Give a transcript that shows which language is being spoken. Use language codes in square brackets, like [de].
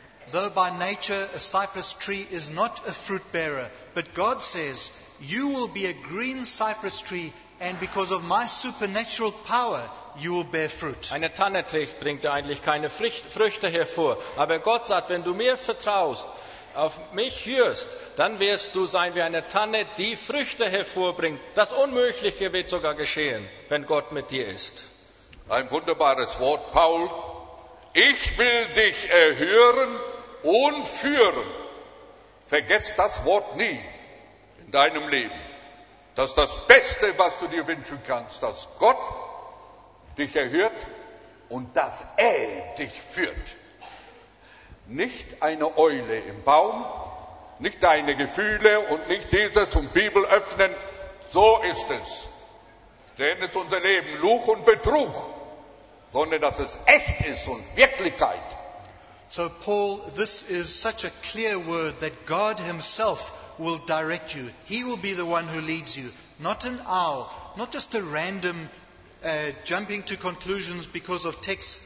[en] Though by nature a cypress tree is not a fruit bearer, but God says, you will be a green cypress tree, and because of my supernatural power, you will bear fruit. [de] Eine Tanne bringt ja eigentlich keine Früchte hervor, aber Gott sagt, wenn du mir vertraust, auf mich hörst, dann wirst du sein wie eine Tanne, die Früchte hervorbringt. Das Unmögliche wird sogar geschehen, wenn Gott mit dir ist. Ein wunderbares Wort, Paul. Ich will dich erhören und führen. Vergiss das Wort nie in deinem Leben. Das ist das Beste, was du dir wünschen kannst, dass Gott dich erhört und dass er dich führt. Nicht eine Eule im Baum, nicht deine Gefühle und nicht diese zum Bibel öffnen. So ist es. Denn es ist unser Leben Lug und Betrug, sondern dass es echt ist und Wirklichkeit. [en] So Paul, this is such a clear word that God himself will direct you. He will be the one who leads you. Not an owl, not just a random jumping to conclusions because of texts.